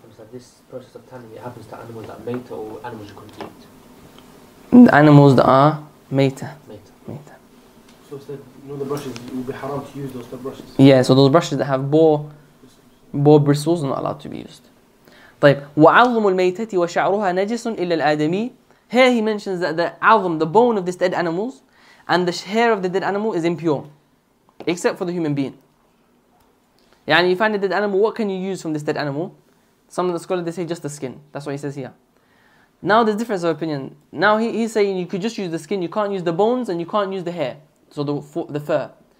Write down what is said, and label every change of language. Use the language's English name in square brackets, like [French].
[English] This process of tanning, it happens to animals that are mate or animals you can't eat? The animals that are mate. Mate. So instead, you know, the brushes, it would be haram to use those brushes. Yeah, so those brushes that have boar bristles are not allowed to be used. [Arabic] طيب وعظم الميتة وشعرها نجس إلا الآدمي. [English] Here he mentions that the عظم, the bone of this dead animals, and the hair of the dead animal is impure, except for the human being. يعني you find a dead animal, what can you use from this dead animal? Some of the scholars, they say just the skin. That's what he says here. Now there's difference of opinion. Now he's saying you could just use the skin, you can't use the bones and you can't use the hair, so the fur.